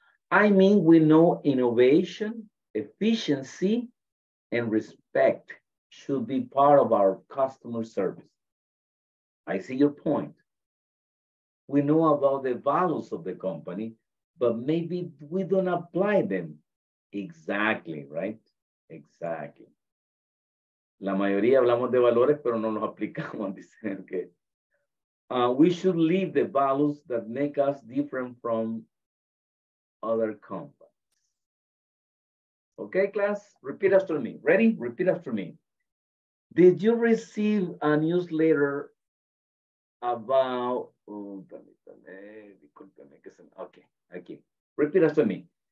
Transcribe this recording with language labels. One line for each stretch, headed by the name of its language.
English: I mean, we know innovation, efficiency, and respect should be part of our customer service. I see your point. We know about the values of the company, but maybe we don't apply them. Exactly, right? Exactly.
Spanish: La mayoría hablamos de valores, pero no los aplicamos, dicen que.
English: We should leave the values that make us different from other companies. Okay, class, repeat after me. Ready? Repeat after me. Did you receive a newsletter about, okay. Repeat after me.